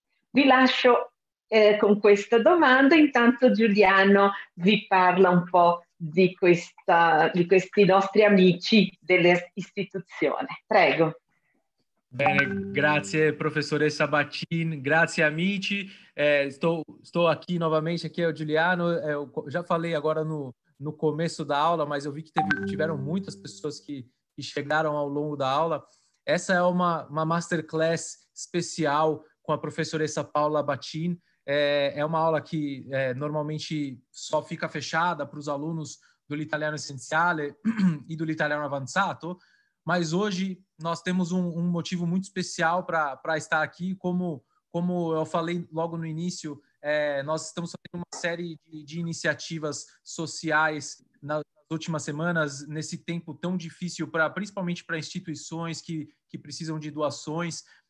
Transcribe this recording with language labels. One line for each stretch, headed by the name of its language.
Italian: Vi lascio con questa domanda, intanto Giuliano vi parla un po' di questi nostri amici dell'istituzione. Prego. Bene, grazie professoressa Baccin, grazie amici. Sto qui nuovamente, qui è Giuliano.
Portuguese: Già falei agora no começo da aula, mas eu vi che tiveram muitas pessoas che chegaram ao longo da aula.
Italian: Essa è una masterclass special con la professoressa Paula Baccin.
Portuguese: È una aula che normalmente só fica fechada para os alunos do italiano essenziale e do italiano avanzato, mas hoje nós temos um motivo muito especial para estar aqui. Como eu falei logo no início, nós estamos fazendo uma série de iniciativas sociais nas últimas semanas, nesse tempo tão difícil, principalmente para instituições que precisam de doações.